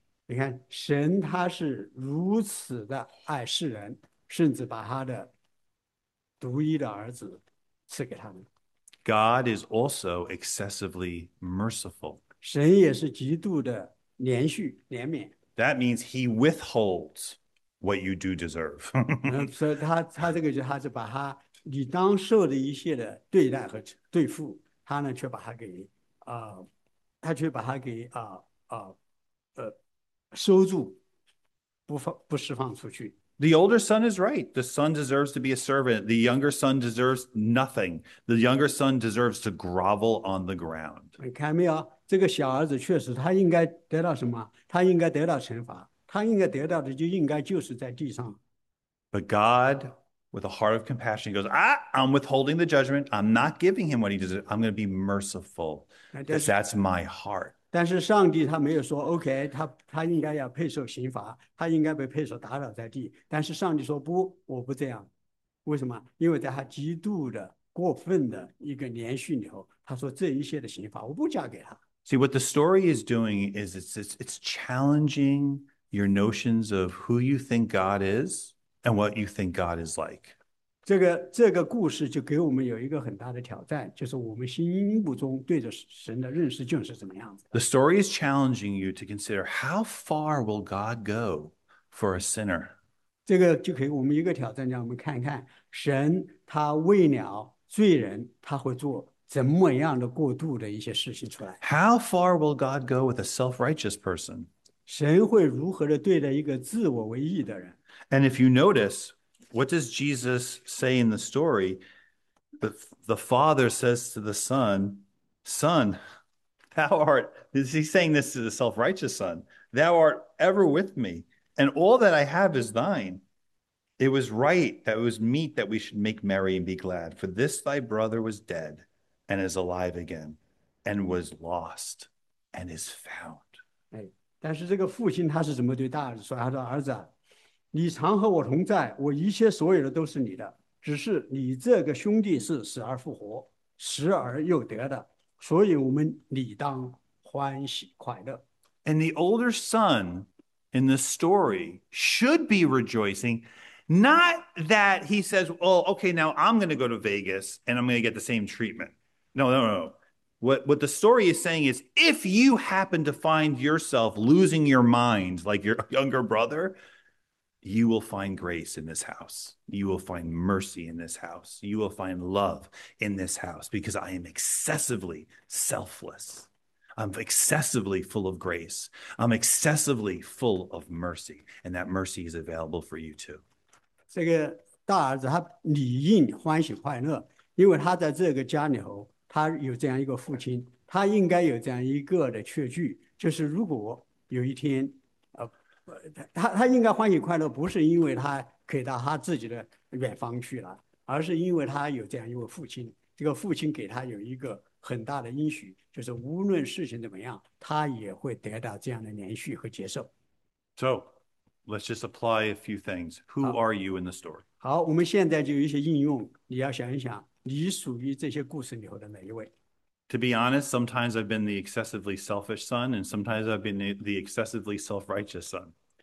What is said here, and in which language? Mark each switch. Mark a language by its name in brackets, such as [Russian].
[Chinese] 你看，神他是如此的爱世人，甚至把他的独一的儿子赐给他们。 [English] God is also excessively merciful. [Chinese] 神也是极度的连续怜悯。 [English] That means he withholds what you do deserve. [Chinese] 所以他这个就他是把他你当受的一切的对待和对付，他呢却把他给他却把他给收住，不释放出去。 [English] The older son is right. The son deserves to be a servant. The younger son deserves nothing. The younger son deserves to grovel on the ground. [Chinese] 你看没有？这个小儿子确实，他应该得到什么？他应该得到惩罚。他应该得到的就应该就是在地上。 [English] But God, with a heart of compassion, goes, I'm withholding the judgment. I'm not giving him what he deserves. I'm going to be merciful because that's my heart. [Chinese] 但是上帝他没有说 OK，他应该要配受刑罚，他应该被配受打倒在地。但是上帝说不，我不这样。为什么？因为在他极度的过分的一个连续里头，他说这一切的刑罚我不加给他。 [English] See, what the story is doing is it's challenging your notions of who you think God is and what you think God is like. [Chinese] 这个故事就给我们有一个很大的挑战，就是我们心目中对着神的认识就是怎么样子的。 [English] The story is challenging you to consider how far will God go for a sinner? [Chinese] 这个就给我们一个挑战，让我们看看神他为了罪人，他会做怎么样的过度的一些事情出来。 [English] How far will God go with a self-righteous person? [Chinese] 神会如何的对待一个自我为义的人？ [English] And if you notice, what does Jesus say in the story? The father says to the son, Son, thou art, is he saying this to the self-righteous son? Thou art ever with me, and all that I have is thine. It was right that it was meet that we should make merry and be glad, for this thy brother was dead and is alive again. And was lost and is found. [Chinese] 哎，但是这个父亲他是怎么对大儿子说？他说：“儿子，你常和我同在，我一切所有的都是你的。只是你这个兄弟是死而复活，死而又得的，所以我们理当欢喜快乐。 [English] And the older son in the story should be rejoicing. Not that he says, oh, okay, now I'm going to go to Vegas and I'm going to get the same treatment. No. What the story is saying is if you happen to find yourself losing your mind like your younger brother, you will find grace in this house. You will find mercy in this house. You will find love in this house because I am excessively selfless. I'm excessively full of grace. I'm excessively full of mercy. And that mercy is available for you too. [Chinese] 这个大儿子他理应欢喜快乐，因为他在这个家里头，他有这样一个父亲，他应该有这样一个的确据，就是如果有一天，他应该欢喜快乐，不是因为他可以到他自己的远方去了，而是因为他有这样一位父亲，这个父亲给他有一个很大的应许，就是无论事情怎么样，他也会得到这样的连续和接受。 [English] So let's just apply a few things. Who [Chinese] 好。 [English] are you in the story? [Chinese] 好，我们现在就有一些应用，你要想一想，你属于这些故事里头的哪一位？ [English] To be honest, sometimes I've been the excessively selfish son, and sometimes I've been the excessively self-righteous son.